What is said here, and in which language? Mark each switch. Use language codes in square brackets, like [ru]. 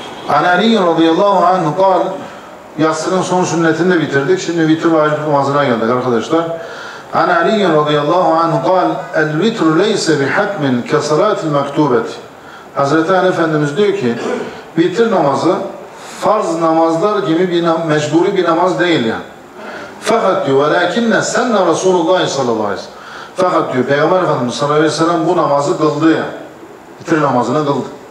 [ar] عن علي رضي الله عنه قال [tr] yatsının son sünnetini de bitirdik. Şimdi vitr vacip namazına geldik arkadaşlar. [ar] عن علي رضي الله عنه قال الوتر ليس بحتم كصلاة المكتوبة. [tr] Hazreti Ali Efendimiz diyor ki vitr namazı farz namazlar gibi bir mecburi bir namaz değil yani. Fakat diyor [ar] velakinne senne [tr] Resulullah sallallahu aleyhi ve sellem. Fakat diyor Peygamber Efendimiz sallallahu aleyhi ve sellem bu namazı kıldı ya. Vitr namazını kıldı.